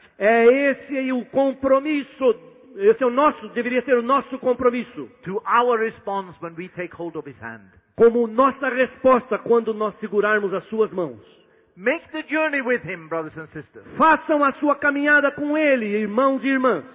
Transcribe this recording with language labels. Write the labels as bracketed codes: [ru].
[pt] É esse o compromisso. Esse é o nosso, deveria ser o nosso compromisso. [en] To our response when we take hold of his hand. [pt] Como nossa resposta quando nós segurarmos as suas mãos. [en] Make the journey with him, brothers and sisters. [pt] Façam a sua caminhada com ele, irmãos e irmãs.